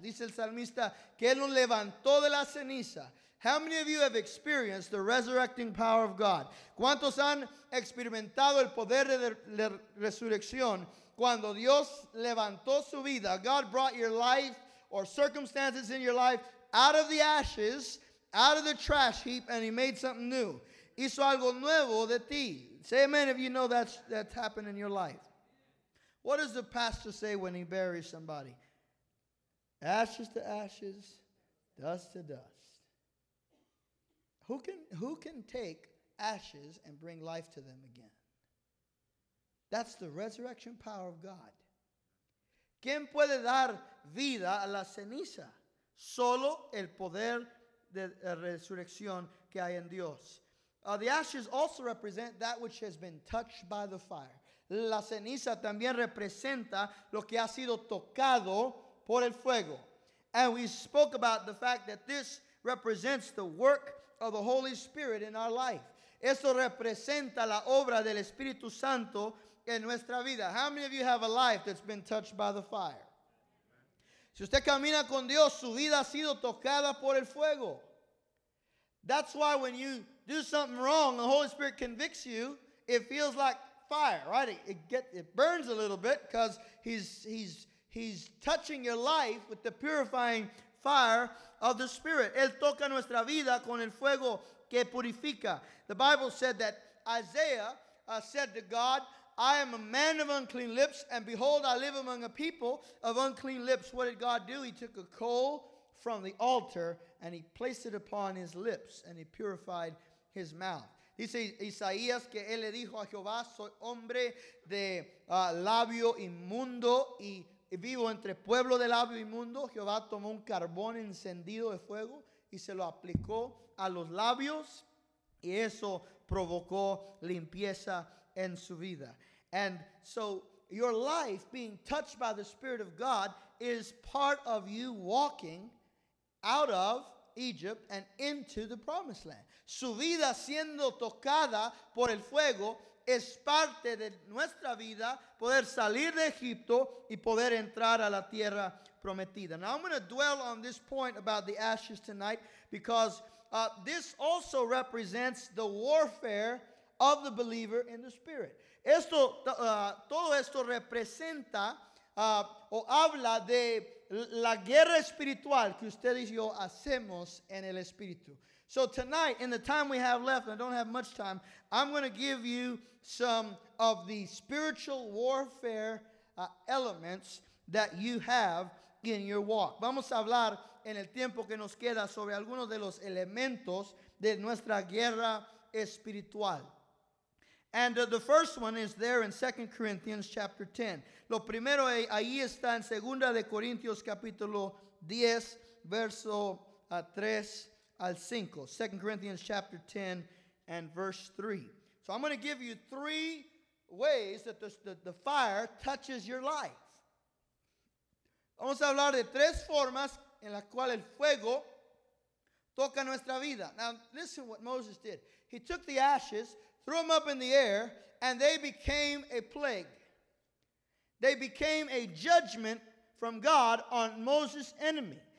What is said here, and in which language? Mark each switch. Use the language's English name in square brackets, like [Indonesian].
[Spanish] Dice el salmista que él nos levantó de la ceniza. [English] How many of you have experienced the resurrecting power of God? [Spanish] ¿Cuántos han experimentado el poder de la resurrección? Cuando Dios levantó su vida, [English] God brought your life or circumstances in your life out of the ashes, out of the trash heap, and he made something new. [Spanish] Hizo algo nuevo de ti. [English] Say amen if you know that's happened in your life. What does the pastor say when he buries somebody? Ashes to ashes, dust to dust. Who can take ashes and bring life to them again? That's the resurrection power of God. [Spanish] ¿Quién puede dar vida a la ceniza? Solo el poder de resurrección que hay en Dios. [English] The ashes also represent that which has been touched by the fire. [Spanish] La ceniza también representa lo que ha sido tocado por el fuego. [English] And we spoke about the fact that this represents the work of the Holy Spirit in our life. [Spanish] Esto representa la obra del Espíritu Santo en nuestra vida. [English] How many of you have a life that's been touched by the fire? [Spanish] Si usted camina con Dios, su vida ha sido tocada por el fuego. [English] That's why when you do something wrong, the Holy Spirit convicts you. It feels like fire, right? It burns a little bit because he's touching your life with the purifying fire of the Spirit. [Spanish] Él toca nuestra vida con el fuego que purifica. [English] The Bible said that Isaiah said to God, I am a man of unclean lips, and behold, I live among a people of unclean lips. What did God do? He took a coal from the altar and he placed it upon his lips and he purified his mouth. [Spanish] Dice Isaías que él le dijo a Jehová, soy hombre de labio inmundo y vivo entre pueblo de labio inmundo. Jehová tomó un carbón encendido de fuego y se lo aplicó a los labios y eso provocó limpieza en su vida. [English] And so your life being touched by the Spirit of God is part of you walking out of Egypt and into the promised land. [Spanish] Su vida siendo tocada por el fuego es parte de nuestra vida, poder salir de Egipto y poder entrar a la tierra prometida. [English] Now I'm going to dwell on this point about the ashes tonight because this also represents the warfare of the believer in the spirit. [Spanish] Esto, todo esto representa o habla de la guerra espiritual que usted y yo hacemos en el espíritu. [English] So tonight, in the time we have left, and I don't have much time, I'm going to give you some of the spiritual warfare elements that you have in your walk. [Spanish] Vamos a hablar en el tiempo que nos queda sobre algunos de los elementos de nuestra guerra espiritual. [English] And the first one is there in 2 Corinthians chapter 10. [Spanish] Lo primero ahí está en 2 de Corintios capítulo 10, verso 3. Al cinco, [English] 2 Corinthians chapter 10 and verse 3. So I'm going to give you three ways that the fire touches your life. [Spanish] Vamos a hablar de tres formas en las cuales el fuego toca nuestra vida. [English] Now listen what Moses did. He took the ashes, threw them up in the air, and they became a plague. They became a judgment from God on Moses' enemy.